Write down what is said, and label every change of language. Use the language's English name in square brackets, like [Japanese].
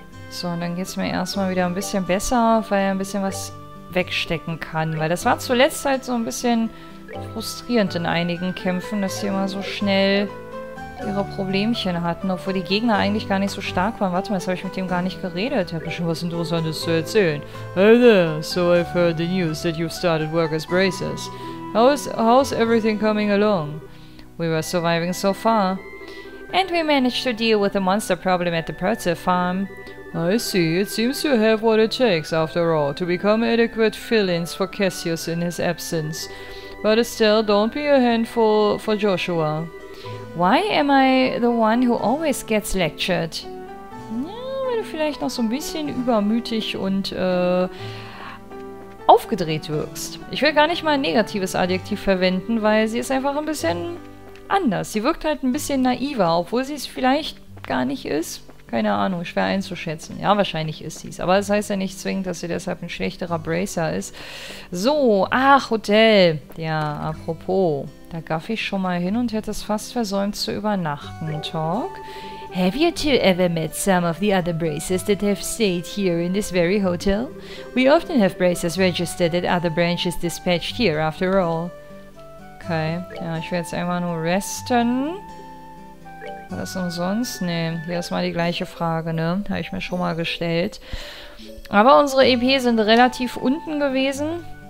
[German] So, und dann geht es mir erstmal wieder ein bisschen besser, weil er ein bisschen was wegstecken kann. Weil das war zuletzt halt so ein bisschen frustrierend in einigen Kämpfen, dass sie immer so schnell ihre Problemchen hatten. Obwohl die Gegner eigentlich gar nicht so stark waren. Warte mal, jetzt habe ich mit dem gar nicht geredet. Ich habe schon was Interessantes zu erzählen. [English] Hey there, so I've heard the news that you've started work as bracers. How's everything coming along? We were surviving so far. And we managed to deal with the monster problem at the Pretzel Farm. I see. It seems you have what it takes, after all, to become adequate fill-ins for Cassius in his absence. But still, don't be a handful for Joshua. Why am I the one who always gets lectured? [German] Ja, weil du vielleicht noch so ein bisschen übermütig und aufgedreht wirkst. Ich will gar nicht mal ein negatives Adjektiv verwenden, weil sie ist einfach ein bisschen anders. Sie wirkt halt ein bisschen naiver, obwohl sie es vielleicht gar nicht ist. Keine Ahnung, schwer einzuschätzen. Ja, wahrscheinlich ist sie es. Aber das heißt ja nicht zwingend, dass sie deshalb ein schlechterer Bracer ist. So, ach, Hotel. Ja, apropos. Da gaff ich schon mal hin und hätte es fast versäumt zu übernachten. Talk. Have you two ever met some of the other Bracers that have stayed here in this very hotel? We often have Bracers registered at other branches dispatched here after all. Okay, ja, ich werde jetzt einmal nur resten. Was umsonst? Ne, hier ist mal die gleiche Frage, ne? Habe ich mir schon mal gestellt. Aber unsere EP sind relativ unten gewesen.